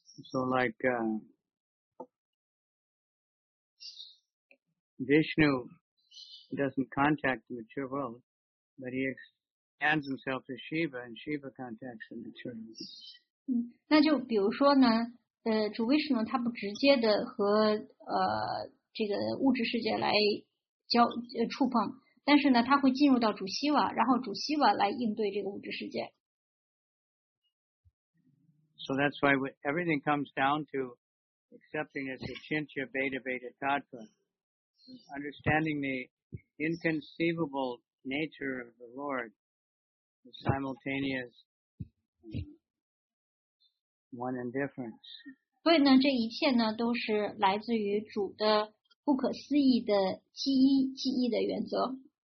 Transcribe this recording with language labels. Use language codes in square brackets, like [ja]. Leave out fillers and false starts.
[en] So like Vishnu doesn't contact the material world, but he hands himself to Shiva, and Shiva contacts the material world. [zh] 嗯，那就比如说呢，主为什么他不直接的和这个物质世界来交触碰，但是呢，他会进入到主希瓦，然后主希瓦来应对这个物质世界。 [en] So that's why everything comes down to accepting as a chintya beta beta tattva, understanding the inconceivable nature of the Lord, the simultaneous one and difference. [zh] 所以呢，这一切呢都是来自于主的不可思议的记忆的原则。